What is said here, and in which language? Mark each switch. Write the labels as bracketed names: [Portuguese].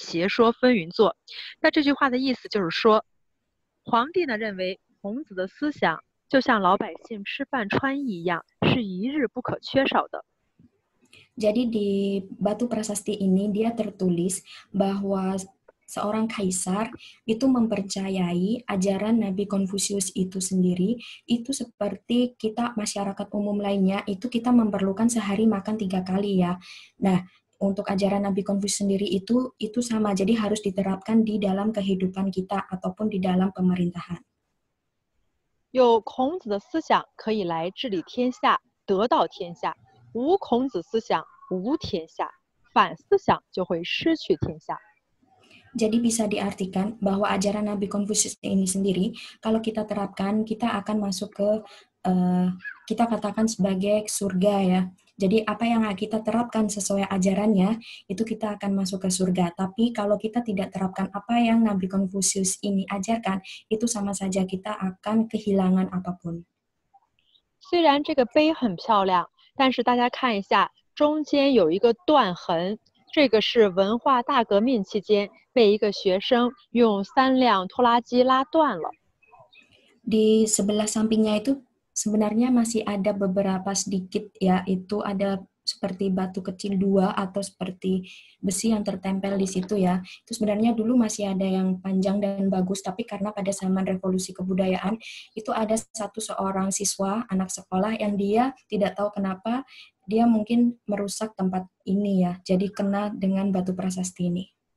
[Chinese] 朕欲置重修孔子庙碑，朕为孔子之道，天下一日不可无焉。何也？有孔子之道，则纲常正而伦理明，万物各得其所；不然，则异端横起，邪说纷纭作。那这句话的意思就是说。皇帝呢认为孔子的思想就像老百姓吃饭穿衣一样，是一日不可缺少的。 [Indonesian] Jadi di batu prasasti ini dia tertulis bahwa seorang kaisar itu mempercayai ajaran Nabi Konfusius itu sendiri, itu seperti kita masyarakat umum lainnya, itu kita memerlukan sehari makan 3 kali ya. Nah, untuk ajaran Nabi Konfusius sendiri itu sama, jadi harus diterapkan di dalam kehidupan kita ataupun di dalam pemerintahan. [Chinese] 有孔子的思想可以来治理天下，得到天下；无孔子思想，无天下；反思想就会失去天下。 [Indonesian] Jadi bisa diartikan bahwa ajaran Nabi Konfusius ini sendiri, kalau kita terapkan, kita akan masuk ke kita katakan sebagai surga ya. Jadi apa yang kita terapkan sesuai ajarannya, itu kita akan masuk ke surga. Tapi kalau kita tidak terapkan apa yang Nabi Konfusius ini ajarkan, itu sama saja kita akan kehilangan apapun. [Chinese] 虽然这个碑很漂亮，但是大家看一下，中间有一个断痕，这个是文化大革命期间被一个学生用三辆拖拉机拉断了。 [Indonesian] Di sebelah sampingnya itu sebenarnya masih ada beberapa sedikit ya, itu ada seperti batu kecil dua atau seperti besi yang tertempel di situ ya. Itu sebenarnya dulu masih ada yang panjang dan bagus, tapi karena pada zaman revolusi kebudayaan, itu ada satu seorang siswa, anak sekolah, yang dia tidak tahu kenapa, dia mungkin merusak tempat ini ya, jadi kena dengan batu prasasti ini.